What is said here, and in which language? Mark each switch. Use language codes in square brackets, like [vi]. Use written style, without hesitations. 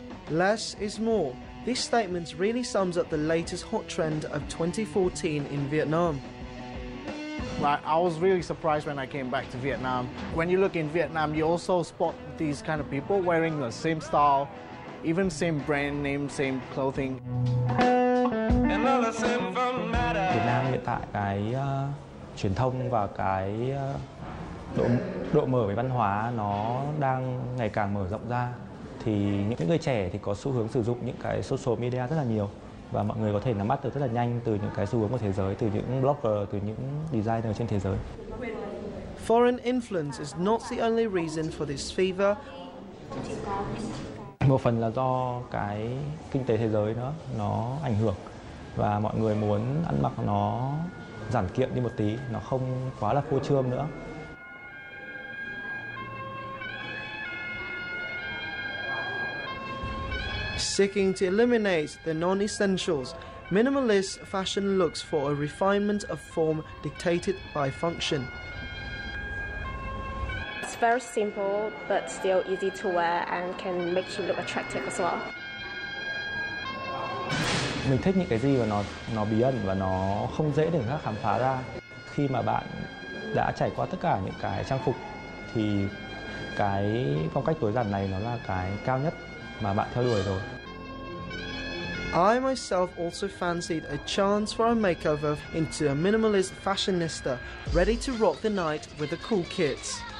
[en] Less is more. This statement really sums up the latest hot trend of 2014 in Vietnam. Like, I was really surprised when I came back to Vietnam. When you look in Vietnam, you also spot these kind of people wearing the same style, even same brand name, same clothing. [vi] Việt Nam hiện tại cái truyền thông và cái độ mở về văn hóa nó đang ngày càng mở rộng ra. Thì những người trẻ thì có xu hướng sử dụng những cái social media rất là nhiều. và mọi người có thể nắm bắt được rất là nhanh từ những cái xu hướng của thế giới, từ những blogger, từ những designer trên thế giới. [en] Foreign influence is not the only reason for this fever. [vi] Một phần là do cái kinh tế thế giới nó ảnh hưởng và mọi người muốn ăn mặc nó giản kiệm đi một tí, nó không quá là phô trương nữa. [en] Seeking to eliminate the non-essentials, minimalist fashion looks for a refinement of form dictated by function. It's very simple, but still easy to wear and can make you look attractive as well. [vi] Mình thích những cái gì mà nó bí ẩn và nó không dễ để khám phá ra. Khi mà bạn đã trải qua tất cả những cái trang phục, thì cái phong cách tối giản này nó là cái cao nhất mà bạn theo đuổi rồi. [en] I myself also fancied a chance for a makeover into a minimalist fashionista, ready to rock the night with the cool kids.